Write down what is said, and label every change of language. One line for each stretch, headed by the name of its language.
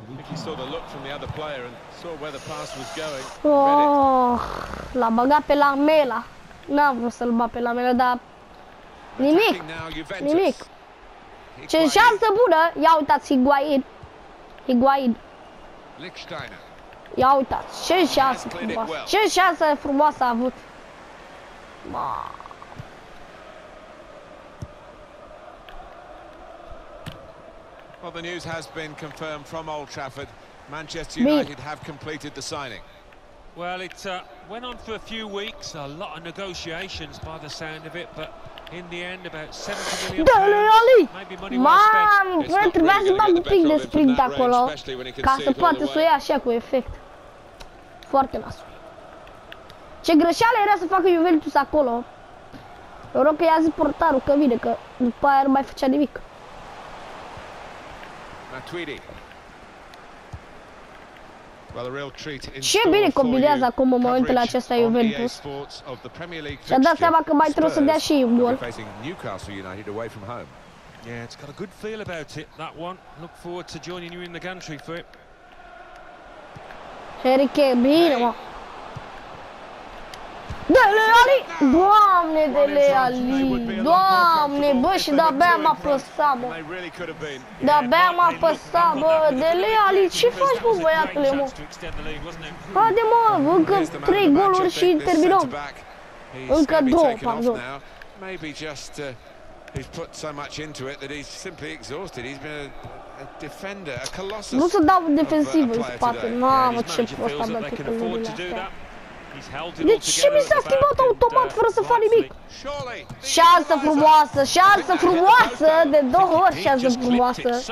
English: He saw the look from the other player and saw where the pass was going.
Romanian: Oh, l-a băgat pe Lamela. N-am vrut să-l bag pe Lamela, dar nimic. Nimic. Ce șansă bună. Ia uitați Higuain. Higuain. Lichtsteiner. Ia uitați. Ce șansă frumoasă. Ce șansă frumoasă a avut. Ma.
English: Well, the news has been confirmed from Old Trafford. Manchester United have completed the signing. Well, it went on for a few weeks, a lot of negotiations by the sound of it, but in the end about 70 million Dele, maybe money well spent.
Romanian: Mamă, trebuie să bag un pic de sprint acolo, ca să poate să o ia așa cu efect. Foarte nasul. Ce greșeală era să facă Juventus acolo. Noroc că i-a zis portarul că vine, că după aia nu mai făcea nimic. Matuidi.
English: Well, a real treat in
Romanian: ce bine combinează acum în momentele acestea Juventus. Și-a dat seama că mai trebuie să dea și un gol.
English: Newcastle United away from home. Yeah, it's got a good feel about it, that one. Look forward to joining you in the gantry for it.
Romanian: Harry Kane, bine, mă. Dele Alli! Doamne, Dele Alli! Doamne, bă, și de-abia m-a păsat, bă! De-abia m-a păsat, bă! Dele Alli, ce faci, bă, băiatule, mă? Haide, mă, încă 3 goluri și terminăm! Încă 2, pardon!
English: Maybe just, he's put so much into it that he's simply exhausted. He's been a defender, a colossus.
Romanian: Nu să dau defensivă în spate, mamă, ce prost am dat pe lumele astea. De ce mi s-a schimbat automat fără să fac nimic? Șansă frumoasă, șansă frumoasă, de două ori șansă frumoasă.